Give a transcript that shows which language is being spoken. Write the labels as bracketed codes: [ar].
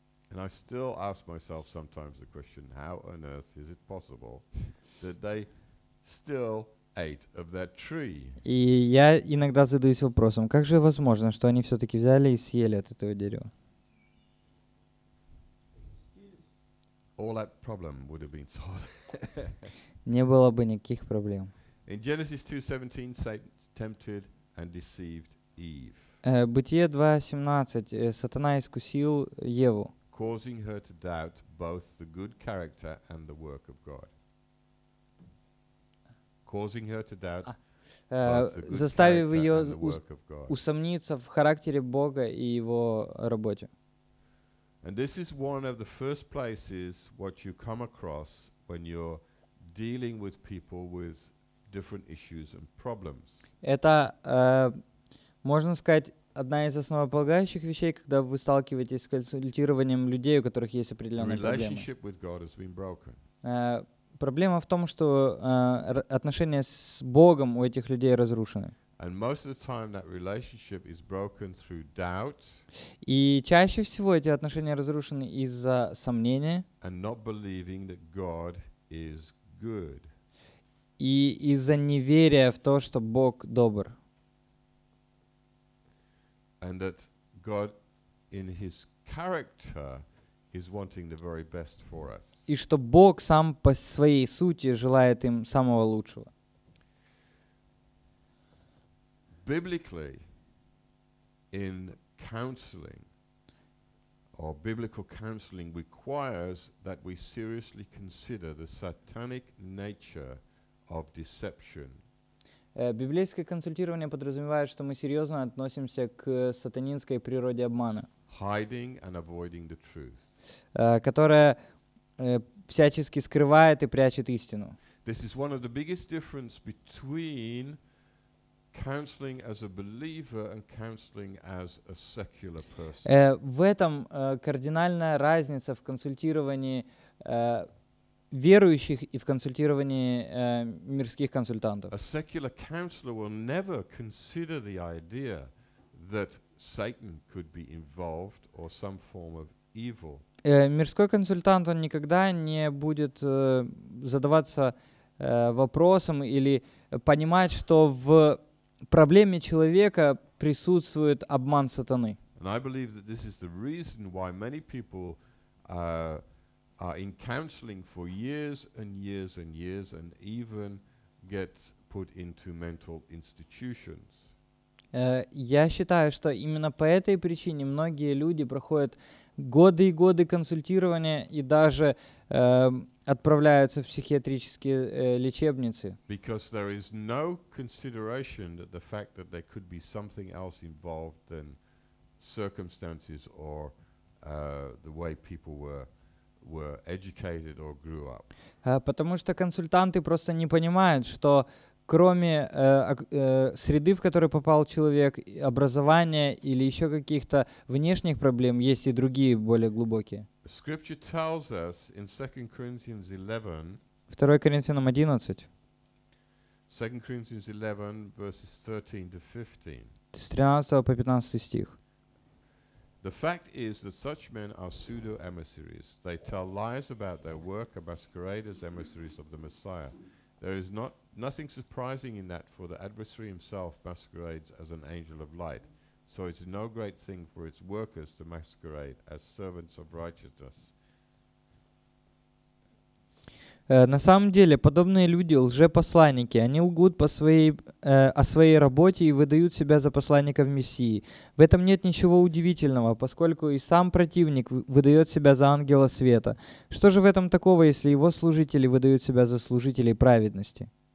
[en] And I still ask myself sometimes the question, how on earth is it possible that they still ate of that tree? [ru] И я иногда задаюсь вопросом, как же возможно, что они все-таки взяли и съели от этого дерева? [en] All that problem would have been solved. [ru] Не было бы никаких проблем. [en] In Genesis 2:17, Satan tempted and deceived Eve. [ru] Бытие 2:17. Сатана искусил Еву. [en] Causing her to doubt both the good character and the work of God. Causing her to doubt. [ru] Заставив ее усомниться в характере Бога и его работе. [en] And this is one of the first places what you come across when you're dealing with people with different issues and problems. [ru] Это, можно сказать, одна из основополагающих вещей, когда вы сталкиваетесь с консультированием людей, у которых есть определенные проблемы. Проблема в том, что отношения с Богом у этих людей разрушены. [en] And most of the time that relationship is broken through doubt. [ru] И чаще всего эти отношения разрушены из-за сомнения. [en] And not believing that God is good. [ru] И из-за неверия в то, что Бог добр. [en] And that God in his character is wanting the very best for us. [ru] И что Бог сам по своей сути желает им самого лучшего. [en] Biblically, in counseling, or biblical counseling requires that we seriously consider the satanic nature of deception. [ru] Библейское консультирование подразумевает, что мы серьезно относимся к сатанинской природе обмана. [en] Hiding and avoiding the truth. [ru] Которая всячески скрывает и прячет истину. [en] This is one of the biggest differences between counseling as a believer and counseling as a secular person. [ru] В этом кардинальная разница в консультировании верующих и в консультировании мирских консультантов. [en] A secular counselor will never consider the idea that Satan could be involved or some form of evil. [ru] Мирской консультант, он никогда не будет задаваться вопросом или понимать, что в проблеме человека присутствует обман сатаны. [en] And I believe that this is the reason why many people are in counseling for years and years and years and even get put into mental institutions. [ru] Я считаю, что именно по этой причине многие люди проходят годы и годы консультирования и даже отправляются в психиатрические лечебницы. [en] Because there is no consideration that the fact that there could be something else involved than circumstances or the way people were educated or grew up. [ru] Потому что консультанты просто не понимают, что кроме среды, в которую попал человек, образования или еще каких-то внешних проблем, есть и другие более глубокие. [en] Scripture tells us in 2 Corinthians 11. [ru] 2 Коринфянам 11. [en] 2 Corinthians 11, verses 13 to 15. [ru] С 13 по 15 стих. [en] The fact is that such men are pseudo emissaries. They tell lies about their work, and masquerade as emissaries of the Messiah. There is nothing surprising in that, for the adversary himself masquerades as an angel of light. So it's no great thing for its workers to masquerade as servants of righteousness. [ru] На самом деле, подобные люди — лжепосланники. Они лгут по своей, о своей работе и выдают себя за посланников Мессии. В этом нет ничего удивительного, поскольку и сам противник выдает себя за ангела света. Что же в этом такого, если его служители выдают себя за служителей праведности?